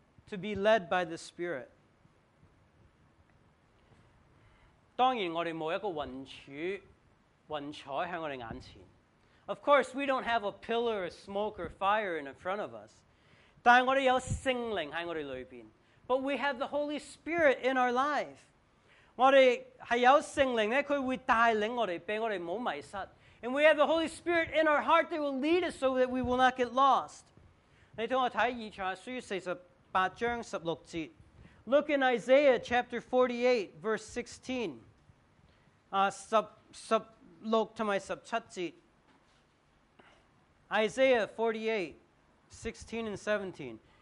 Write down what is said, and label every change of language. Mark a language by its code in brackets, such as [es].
[en] to be led by the Spirit. [yue] 當然我們沒有一個雲柱雲彩在我們眼前。 [en] Of course, we don't have a pillar of smoke or fire in front of us. [yue] 但我們有聖靈在我們裡面。 [en] But we have the Holy Spirit in our life. [yue] 我們是有聖靈的，祂會帶領我們，讓我們不迷失。 [en] And we have the Holy Spirit in our heart that will lead us so that we will not get lost. [yue] 你跟我看以賽亞書48章16節。 [en] Look in Isaiah chapter 48, verse 16. 16-17. Isaiah 48, 16 and 17.